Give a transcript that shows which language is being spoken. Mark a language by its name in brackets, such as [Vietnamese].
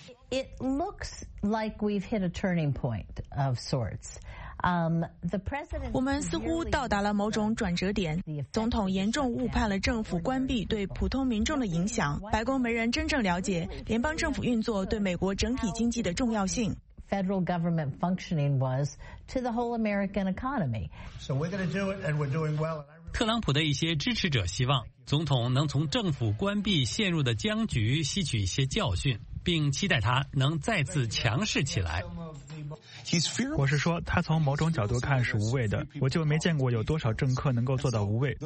[English] It looks like we've hit a turning point of sorts. The president. [Chinese] 我们似乎到达了某种转折点。总统严重误判了政府关闭对普通民众的影响。白宫没人真正了解联邦政府运作对美国整体经济的重要性。 [English] Federal government functioning was to the whole American economy. So we're going to do it, and we're doing well. [Chinese] 特朗普的一些支持者希望总统能从政府关闭陷入的僵局吸取一些教训。并期待他能再次强势起来。我是说，他从某种角度看是无畏的，我就没见过有多少政客能够做到无畏。